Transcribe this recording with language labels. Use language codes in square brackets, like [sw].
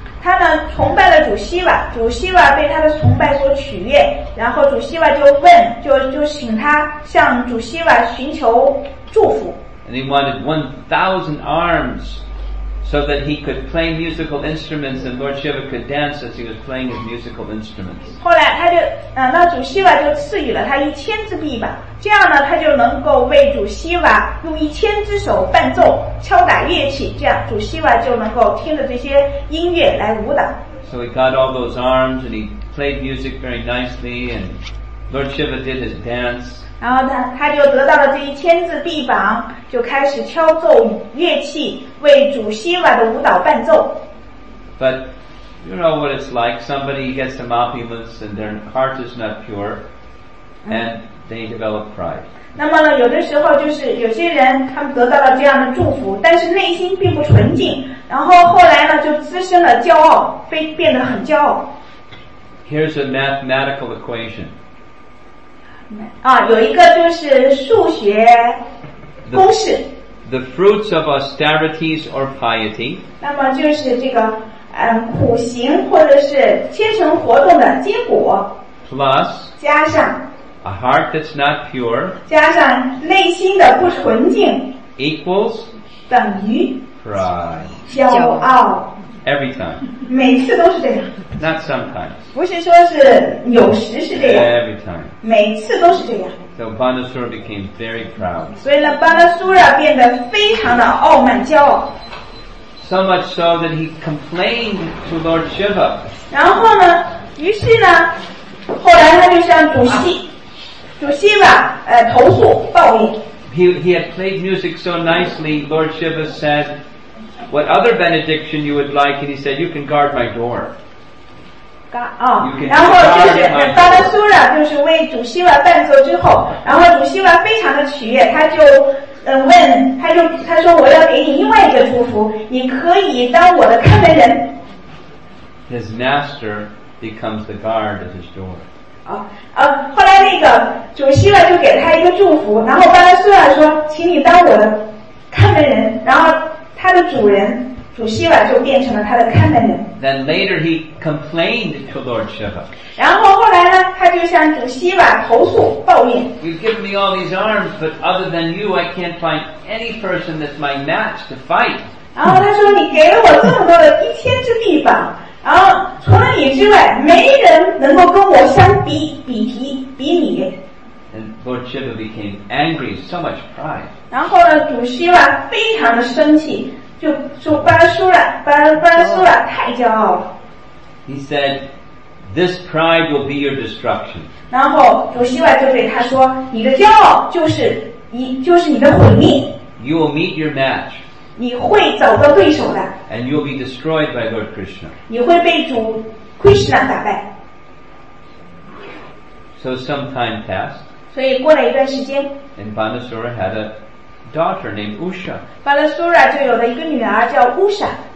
[zh] 他呢崇拜了主希瓦，主希瓦被他的崇拜所取悦，然后主希瓦就问，就请他向主希瓦寻求祝福。 [en] And he wanted 1,000 arms so that he could play musical instruments and Lord Shiva could dance as he was playing his musical instruments. [zh] 后来他就，那主希瓦就赐予了他1,000只臂膀。这样呢，他就能够为主希瓦用1,000只手伴奏、敲打乐器，这样主希瓦就能够听着这些音乐来舞蹈。 [en] So he got all those arms and he played music very nicely, and Lord Shiva did his dance. [zh] 然后他就得到了这1,000只臂膀，就开始敲奏乐器为主希瓦的舞蹈伴奏。 [en] But you know what it's like. Somebody gets some opulence and their heart is not pure, and they develop pride. [zh] 那么呢，有的时候就是有些人他们得到了这样的祝福，但是内心并不纯净，然后后来呢就滋生了骄傲，变得很骄傲。 [en] Here's a mathematical equation. [zh] 啊，有一个就是数学公式。 [en] The fruits of austerities or piety. [zh] 那么就是这个苦行或者是虔诚活动的结果。 [en] Plus. [zh] 加上。 [en] A heart that's not pure. [zh] 加上内心的不纯净。 [en] Equals. [zh] 等于。 [en] Pride. [zh] 骄傲。 [en] Every time. [zh] 每次都是这样。 [en] Not sometimes. [zh] 不是说是有时是这样。 [en] Every time. [zh] 每次都是这样。 [en] So Banasura became very proud. [zh] 所以呢 ，Banasura 变得非常的傲慢骄傲。 [en] So much so that he complained to Lord Shiva. [zh] 然后呢，于是呢，后来他就向主希瓦投诉抱怨。 [en] He had played music so nicely. Lord Shiva said, "What other benediction you would like?" And he said, "You can guard my door." [zh] 然后就是巴拉苏拉就是为主希瓦伴奏之后，然后主希瓦非常的喜悦，他就问，他说我要给你另外一个祝福，你可以当我的看门人。 [en] His master becomes the guard at his door. [zh] 后来那个主希瓦就给他一个祝福，然后巴拉苏拉说，请你当我的看门人，然后他的主人。主希瓦就变成了他的看门人。 [en] Then later he complained to Lord Shiva. [zh] 然后后来呢，他就向主希瓦投诉抱怨。 [en] You've given me all these arms, but other than you, I can't find any person that's my match to fight. [zh] 然后他说：“你给了我这么多的1,000只臂膀，然后除了你之外，没人能够跟我相比比拟。” [en] And Lord Shiva became angry, so much pride. [zh] 然后呢, 主希瓦, 非常的生气, 就说, 巴拉苏拉, 太骄傲了。 [en] He said, this pride will be your destruction. [zh] 然后主希瓦就对他说, 你的骄傲就是你的毁灭。 [en] You will meet your match. [zh] 你会找到对手的。 [en] And you will be destroyed by Lord Krishna. [zh] 你会被主 Krishna 打败。 [en] So some time passed. [zh] 所以过了一段时间, [en] and Banasura had a daughter named Usha. [zh] Banasura 就有了一个女儿叫 Usha.